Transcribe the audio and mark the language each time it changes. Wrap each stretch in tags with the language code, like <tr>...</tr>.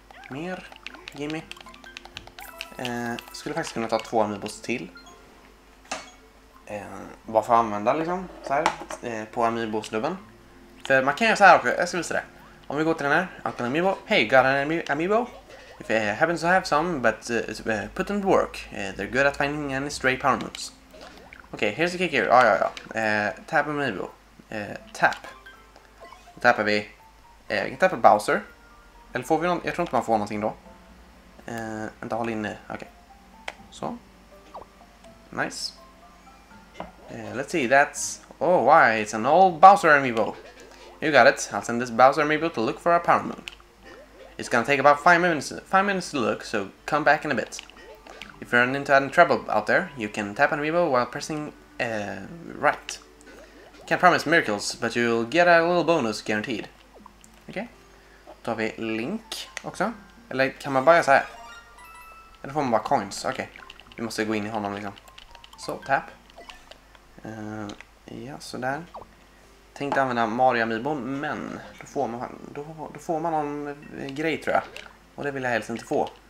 <sv>Mer.</sv> <en>Gimme.</en> <sv>Skulle faktiskt kunna ta 2 amiibos till. Bara för att använda liksom. Så här, på amiibosnubben. För man kan göra så här också. Jag ska visa det. Om vi går till den här. Alltid amiibo.</sv> <en>Hey, got an amiibo? If I happen to have some, but put them to work. They're good at finding any stray power moves. Okej, okay, here's the kicker.</en> <sv>Ah, ja, ja.</sv> <en>Tap Amiibo. Tap.</en> <sv>Då tappar vi. Vi kan tappa Bowser. Eller får vi någon? Jag tror inte man får någonting då. Vänta, håll inne. Okej. Okay. Så. Nice.</sv> <en>Let's see, that's... Oh, why? It's an old Bowser Amiibo. You got it. I'll send this Bowser Amiibo to look for our Power Moon. It's gonna take about 5 minutes to look, so come back in a bit. If you're into any trouble out there, you can tap an Amiibo while pressing right. Can't promise miracles, but you'll get a little bonus guaranteed.</en> <sv>Okej. Okay. Då har vi Link också. Eller kan man bara så här? Eller får man bara coins? Okej. Okay. Vi måste gå in i honom liksom. Så, tap. Ja, så där. Tänkte använda Mario Amiibo, men då får man någon grej tror jag. Och det vill jag helst inte få.</sv>